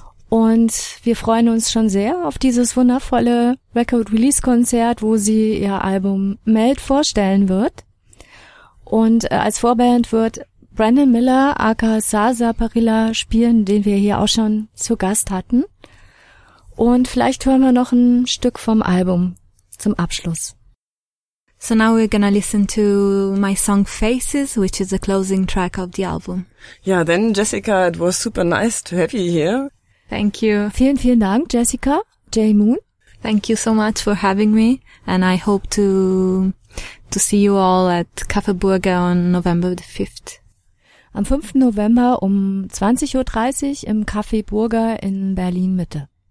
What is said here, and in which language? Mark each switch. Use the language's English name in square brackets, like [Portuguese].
[German] Und wir freuen uns schon sehr auf dieses wundervolle Record-Release-Konzert, wo sie ihr Album Melt vorstellen wird. Und als Vorband wird Brandon Miller aka Sasa Parilla spielen, den wir hier auch schon zu Gast hatten. Und vielleicht hören wir noch ein Stück vom Album zum Abschluss. [English] So now we're gonna listen to my song Faces, which is the closing track of the album. Yeah, then Jessica, it was super nice to have you here. Thank you. [German] Vielen, vielen Dank, Jessica J. Moon. [English] Thank you so much for having me. And I hope to see you all at Café Burger on November the 5th. [German] Am 5. November um 20.30 Uhr im Café Burger in Berlin Mitte.